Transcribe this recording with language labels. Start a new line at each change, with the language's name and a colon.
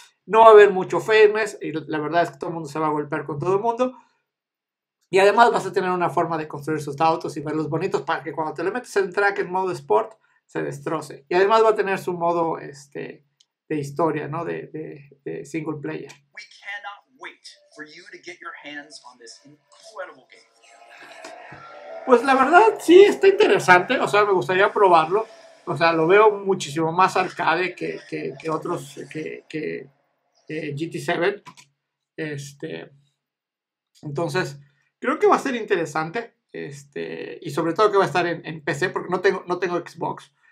Spanish: No va a haber mucho famous y la verdad es que todo el mundo se va a golpear con todo el mundo. Y además vas a tener una forma de construir sus autos y verlos bonitos para que cuando te le metes el track en modo sport, se destroce. Y además va a tener su modo de historia, ¿no? De single player.
English: We cannot wait for you to get your hands on this incredible game.
Spanish: Pues la verdad, sí, está interesante. O sea, me gustaría probarlo. O sea, lo veo muchísimo más arcade que otros, que GT7. Entonces, creo que va a ser interesante. Y sobre todo que va a estar en PC, porque no tengo Xbox.